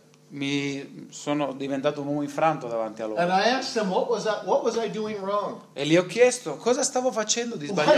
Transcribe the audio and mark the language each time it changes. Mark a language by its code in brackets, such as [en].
[it] Mi sono diventato un uomo infranto davanti a loro. [en] And I asked them, what was I doing wrong? [it] E gli ho chiesto cosa stavo facendo di sbagliato.